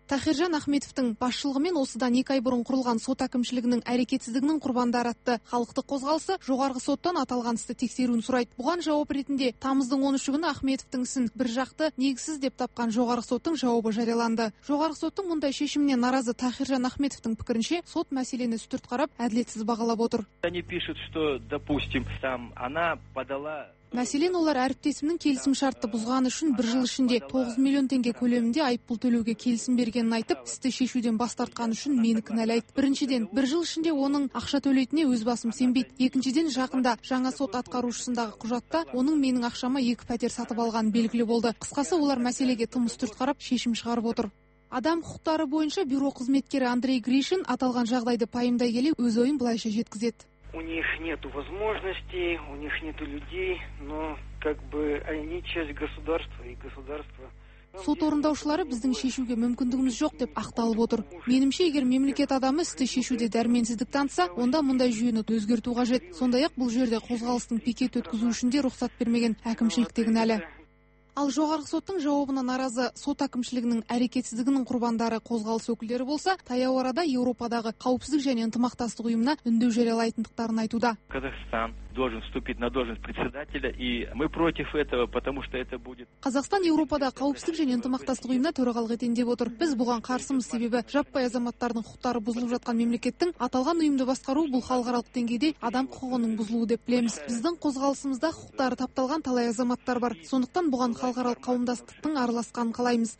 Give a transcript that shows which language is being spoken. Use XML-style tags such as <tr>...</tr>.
<kk>Тахиржан Ахметовтың басшылығымен осыдан 2 ай бұрын құрылған сот әкімшілігінің әрекетсіздігінің құрбандары атты халықтық қозғалысы жоғарғы соттан аталған істі тексеруін сұрайды. Бұған жауап ретінде тамыздың 13 күні Ахметовтың ісін бір жақты негізсіз деп тапқан жоғарғы соттың жауабы жарияланды. Жоғарғы соттың мұндай шешіміне наразы Тахиржан Ахметовтың пікірінше сот мәселені сүтірт қарап әділетсіз бағалап отыр.</kk> <ru>Они пишут, что, допустим, там она подала.</ru> <kk>Мәселен, олар әріптесімнің келісім шартты бұзғаны үшін бір жыл ішінде 9 миллион теңге көлемінде айыппұл төлеуге келісім бергенін айтып, істі шешуден бас тартқаны үшін мені кінәлайды. Біріншіден, бір жыл ішінде оның ақша төлейтініне өз басым сенбейді. Екіншіден, жақында жаңа сот атқарушысындағы құжатта оның менің ақшама 2 пәтер сатып алғаны белгілі болды. Қысқасы, олар мәселеге тым сүтірт қарап шешім шығарып отыр. Адам құқықтары бойынша бюро қызметкері Андрей Гришин аталған жағдайды пайымдай келе өз ойын былайша жеткізеді.</kk> <ru>У них нету возможностей, у них нету людей, но как бы они часть государства и государство.</ru> <kk>Сот орындаушылары біздің шешуге мүмкіндігіміз жоқ деп ақталып отыр. Менімше, егер мемлекет адамы істі шешуде дәрменсіздік танытса, онда мұндай жүйені өзгерту қажет. Сондай-ақ, бұл жерде қозғалыстың пикет өткізу үшін де рұқсат бермеген әкімшіліктегі кінәлі. Ал жоғарғы соттың жауабына наразы сот әкімшілігінің әрекетсіздігінің құрбандары қозғалыс өкілдері болса, таяу арада Еуропадағы қауіпсіздік және ынтымақтастық ұйымына үндеу жариялайтындықтарын айтуда.</kk> <ru>Қазақстан должен вступить на должность председателя, и мы против этого, потому что это будет.</ru> <kk>Қазақстан Еуропада қауіпсіздік және ынтымақтастық ұйымына төрағалық етін деп отыр. Біз бұған қарсымыз, себебі жаппай азаматтардың құқықтары бұзылып жатқан мемлекеттің аталған ұйымды басқару бұл халықаралық деңгейде адам құқығының бұзылуы деп білеміз. Біздің қозғалысымызда құқықтары тапталған талай азаматтар бар. Сондықтан бұған халықаралық қауымдастықтың араласқанын қалаймыз.</kk>